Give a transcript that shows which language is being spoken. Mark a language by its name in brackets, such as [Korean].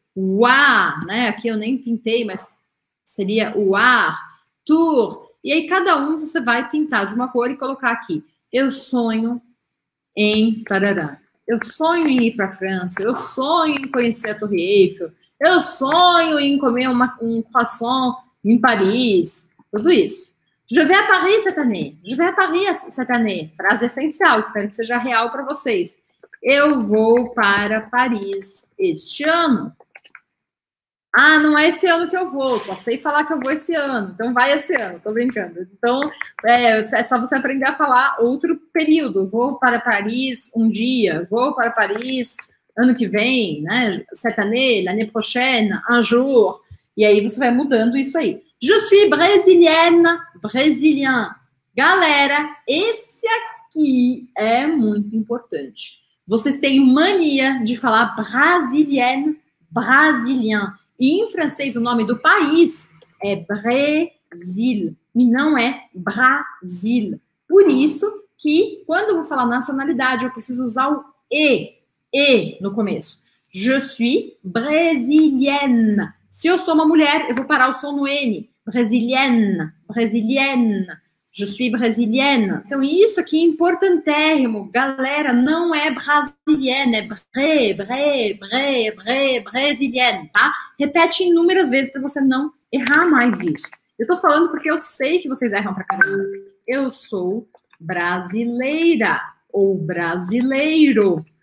[Portuguese] Uá, né? Aqui eu nem pintei, mas seria uá, tour. E aí cada um você vai pintar de uma cor e colocar aqui. Eu sonho em tarará. Eu sonho em ir para a França. Eu sonho em conhecer a Torre Eiffel. Eu sonho em comer um croissant em Paris. Tudo isso. [French] Je vais à Paris cette année. Je vais à Paris cette année. [Portuguese] Frase essencial, espero que seja real para vocês. Eu vou para Paris este ano. Ah, não é esse ano que eu vou, só sei falar que eu vou esse ano. Então, vai esse ano, tô brincando. Então, é só você aprender a falar outro período. Vou para Paris um dia, vou para Paris ano que vem, né? [French] Cette année, l'année prochaine, un jour. [Portuguese] E aí você vai mudando isso aí. [French] Je suis brésilienne, brésilien. [Portuguese] Galera, esse aqui é muito importante. Vocês têm mania de falar [French] brésilienne, brésilien. [Portuguese] E em francês, o nome do país é Brésil e não é Brasil. Por isso que, quando eu vou falar nacionalidade, eu preciso usar o E no começo. [French] Je suis brésilienne. [Portuguese] Se eu sou uma mulher, eu vou parar o som no N. [French] Brésilienne, brésilienne. Je suis brésilienne. [Portuguese] Então, isso aqui é importantérrimo. Galera, não é brasilienne, é brésilienne, tá? Repete inúmeras vezes para você não errar mais isso. Eu tô falando porque eu sei que vocês erram pra caramba. Eu sou brasileira ou brasileiro.